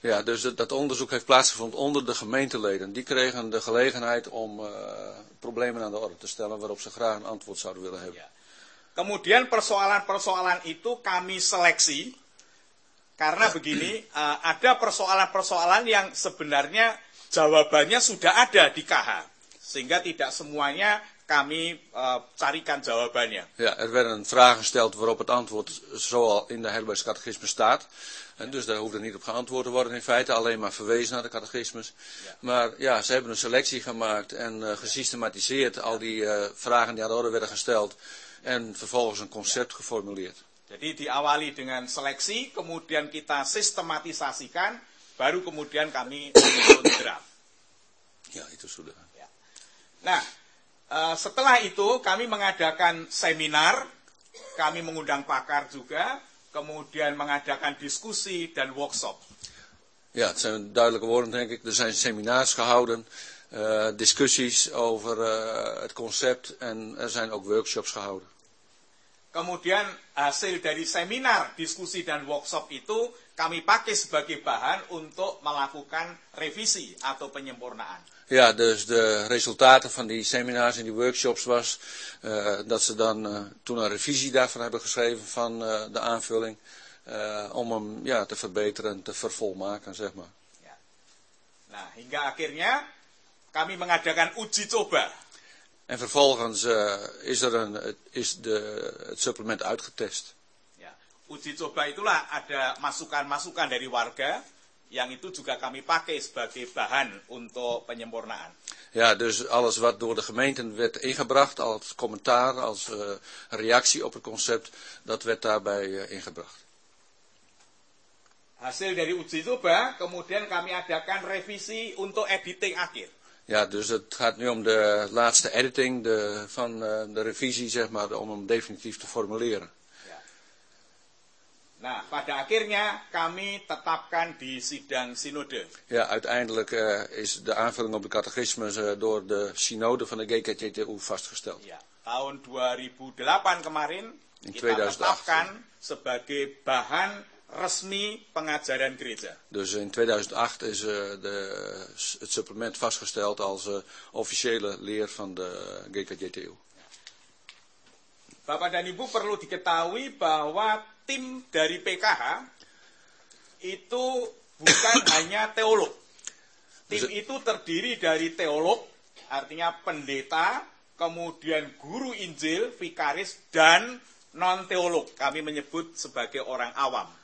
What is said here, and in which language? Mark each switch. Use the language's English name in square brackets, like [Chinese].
[Dutch] Ja, dus dat onderzoek heeft plaatsgevonden onder de gemeenteleden. Die kregen de gelegenheid om problemen aan de orde te stellen waarop ze graag een antwoord zouden willen hebben. [Indonesian] Kemudian persoalan-persoalan itu kami seleksi. Karena begini, ada persoalan-persoalan yang sebenarnya jawabannya sudah ada di KH. Sehingga tidak semuanya kami carikan jawabannya. [Dutch] Ja, er werden vragen gesteld waarop het antwoord zoal in de Heidelbergse catechismus staat. En dus daar hoefde niet op geantwoord te worden in feite, alleen maar verwezen naar de catechismus. Maar ja, ze hebben een selectie gemaakt en gesystematiseerd al die vragen die aan de orde werden gesteld. En vervolgens een concept geformuleerd. [Indonesian] Jadi diawali dengan seleksi, kemudian kita sistematisasikan, baru kemudian kami menyusun draft. Ya, itu sudah. Ya. Nah, setelah itu kami mengadakan seminar, kami mengundang pakar juga, kemudian mengadakan diskusi dan workshop. [Dutch] Ya, het zijn duidelijke woorden, denk ik. Er zijn seminars gehouden. Discussies over het concept en er zijn ook workshops gehouden. [Indonesian] Kemudian hasil dari seminar, diskusi dan workshop itu kami pakai sebagai bahan untuk melakukan revisi atau penyempurnaan. [Dutch] Ja, dus de resultaten van die seminars en die workshops was dat ze dan toen een revisie daarvan hebben geschreven van de aanvulling om hem te verbeteren, te vervolmaken, zeg maar. Ja. [Indonesian] Nah, hingga akhirnya kami mengadakan uji coba. [Dutch] En vervolgens is het supplement uitgetest. [Indonesian] Ya. Uji coba itulah ada masukan-masukan dari warga yang itu juga kami pakai sebagai bahan untuk penyempurnaan. [Dutch] Ja, dus alles wat door de gemeenten werd ingebracht als commentaar, als reactie op het concept, dat werd daarbij ingebracht. [Indonesian] Hasil dari uji coba, kemudian kami adakan revisi untuk editing akhir. [Dutch] Ja, dus het gaat nu om de laatste editing van de revisie, zeg maar, om hem definitief te formuleren. Ja. [Indonesian] Nah, pada akhirnya kami tetapkan di sidang synode. [Dutch] Ja, uiteindelijk is de aanvulling op de catechismus door de synode van de GKJTU vastgesteld. [Indonesian] Ja, tahun 2008 kemarin in kita 2008. Tetapkan sebagai bahan resmi pengajaran gereja. [Dutch] Dus in 2008 is het supplement vastgesteld als officiële leer van de GKJTU. [Indonesian] Bapak dan Ibu perlu diketahui bahwa tim dari PKH itu bukan hanya teolog. Tim itu terdiri dari teolog, artinya pendeta, kemudian guru Injil, vikaris, dan non-teolog. Kami menyebut sebagai orang awam.